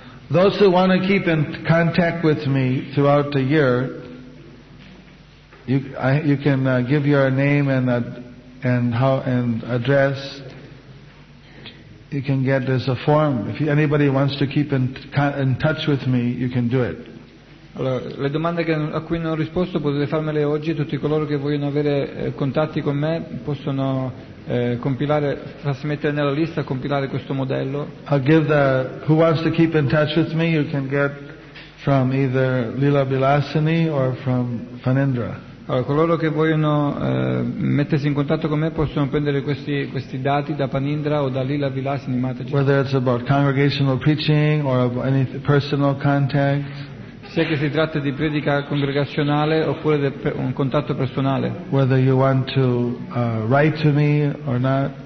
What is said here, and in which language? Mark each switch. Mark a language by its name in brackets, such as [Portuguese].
[English] Those who want to keep in contact with me throughout the year, you can give your name and address. You can get this a form. If anybody wants to keep in touch with me, you can do it. [Italian] Allora, le domande a cui non ho risposto potete farmele oggi. Tutti coloro che vogliono avere contatti con me possono compilare, trasmettere nella lista, compilare questo modello. [English] I'll give the who wants to keep in touch with me. You can get from either Lila Bilasini or from Fanendra. [Italian] Allora, coloro che vogliono mettersi in contatto con me possono prendere questi dati da Panindra o da Lila Vilasini Mataji. [English] Whether it's about congregational preaching or any personal contact. [Italian] Sia che si tratta di predica congregazionale oppure di un contatto personale. [English] Whether you want to write to me or not.